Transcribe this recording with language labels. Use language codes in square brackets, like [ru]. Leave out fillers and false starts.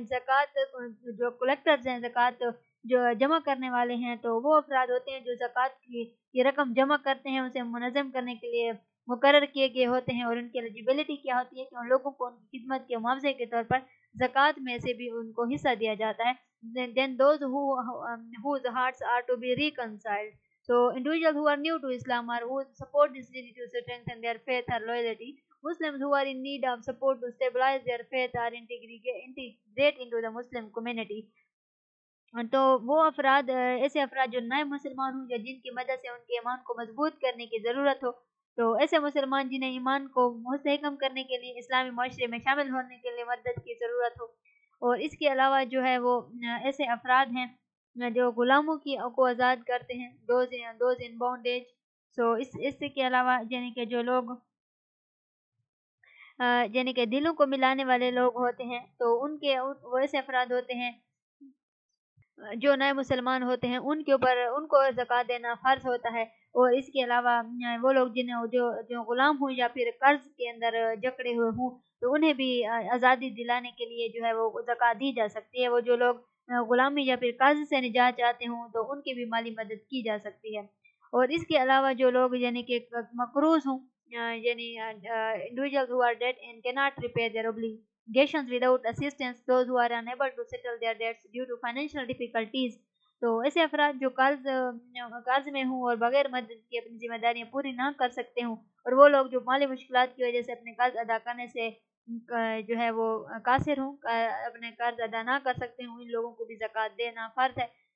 [hi] And जकात जो collectors हैं, जकात जो जमा करने वाले हैं, तो वो अफराद होते हैं जो जकात की रकम जमा करते हैं, उसे मुनज़म करने के लिए मुकर्रर किए गए होते हैं, और उनकी एलिजिबिलिटी क्या होती है कि उन लोगों को उनकी खिदमत के मुआवजे के तौर पर जकात में से भी उनको हिस्सा दिया जाता है. [en] Then those whose hearts are to be reconciled, so individuals who are new to Islam or who support this religion to strengthen their faith और loyalty. Muslims who are in need of support to stabilize their faith are integrate into the Muslim community. [hi] तो वो अफराद ऐसे अफराद जो नए मुसलमान हों या जिनकी मदद से उनके ईमान को मजबूत करने की ज़रूरत हो, तो ऐसे मुसलमान जिन्हें ईमान को मुस्तहकम करने के लिए इस्लामी माशरे में शामिल होने के लिए मदद की ज़रूरत हो, और इसके अलावा जो है वो ऐसे अफराद हैं जो गुलामों की को आज़ाद करते हैं, [en] those in bondage. [hi] So इसके अलावा यानी कि जो लोग यानी कि दिलों को मिलाने वाले लोग होते हैं, तो उनके वो ऐसे अफराद होते हैं जो नए मुसलमान होते हैं, उनके ऊपर उनको ज़कात देना फ़र्ज होता है. और इसके अलावा वो लोग जिन्हें जो ग़ुलाम हों या फिर कर्ज के अंदर जकड़े हुए हों, तो उन्हें भी आज़ादी दिलाने के लिए जो है वो ज़कात दी जा सकती है. वो जो लोग ग़ुलामी या फिर कर्ज से निजात चाहते हों, तो उनकी भी माली मदद की जा सकती है. और इसके अलावा जो लोग यानी कि मकरूज हों [en] individuals who are dead and cannot repay their obligations without assistance, those who are unable to settle their debts due to financial difficulties. [hi] तो ऐसे अफराद जो कर्ज में हों और बगैर मदद की अपनी जिम्मेदारियाँ पूरी ना कर सकते हों, और वो लोग जो माली मुश्किल की वजह से अपने कर्ज अदा करने से जो है वो कासिर हों, अपने कर्ज अदा ना कर सकते हों, इन लोगों को भी ज़कात देना फ़र्ज है.